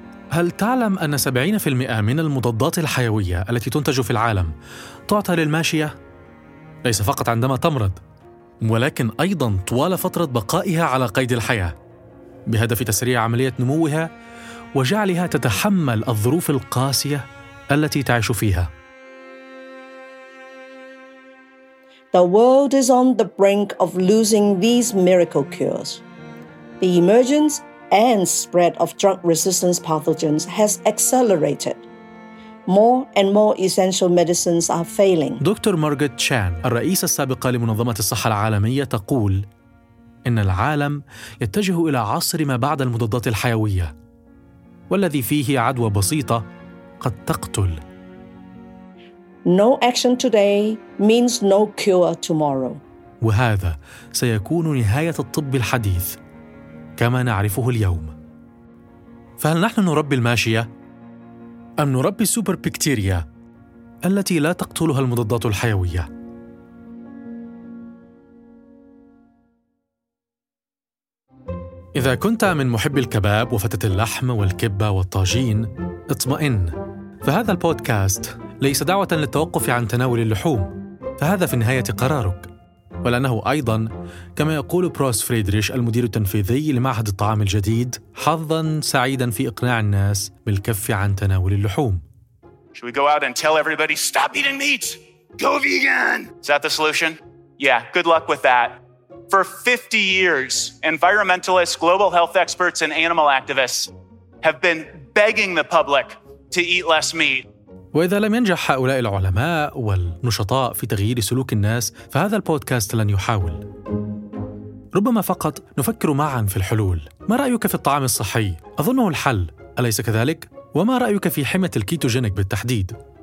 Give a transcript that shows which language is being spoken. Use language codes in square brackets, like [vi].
[ar] هل تعلم أن 70% من المضادات الحيوية التي تنتج في العالم تعطى للماشية؟ ليس فقط عندما تمرض، ولكن أيضاً طوال فترة بقائها على قيد الحياة، بهدف تسريع عملية نموها وجعلها تتحمل الظروف القاسية التي تعيش فيها. [en] The world is on the brink of losing these miracle cures. The emergence and spread of drug-resistant pathogens has accelerated. More and more essential medicines are failing. [ar] دكتور مارغريت تشان، الرئيسة السابقة لمنظمة الصحة العالمية، تقول إن العالم يتجه إلى عصر ما بعد المضادات الحيوية، والذي فيه عدوى بسيطة قد تقتل. [en] No action today means no cure tomorrow. [ar] وهذا سيكون نهاية الطب الحديث كما نعرفه اليوم. فهل نحن نربي الماشية أم نربي السوبر بكتيريا التي لا تقتلها المضادات الحيوية؟ إذا كنت من محبي الكباب وفتة اللحم والكبة والطاجين، اطمئن، فهذا البودكاست ليس دعوة للتوقف عن تناول اللحوم، فهذا في النهاية قرارك، ولأنه أيضاً كما يقول بروس فريدريش المدير التنفيذي لمعهد الطعام الجديد، حظاً سعيداً في إقناع الناس بالكف عن تناول اللحوم. [en] Should we go out and tell everybody stop eating meat? Go vegan. Is that the solution? Yeah, good luck with that. For 50 years, environmentalists, global health experts and animal activists have been begging the public to eat less meat. [ar] وإذا لم ينجح هؤلاء العلماء والنشطاء في تغيير سلوك الناس، فهذا البودكاست لن يحاول. ربما فقط نفكر معاً في الحلول. ما رأيك في الطعام الصحي؟ أظنه الحل، أليس كذلك؟ وما رأيك في حمية الكيتوجينيك بالتحديد؟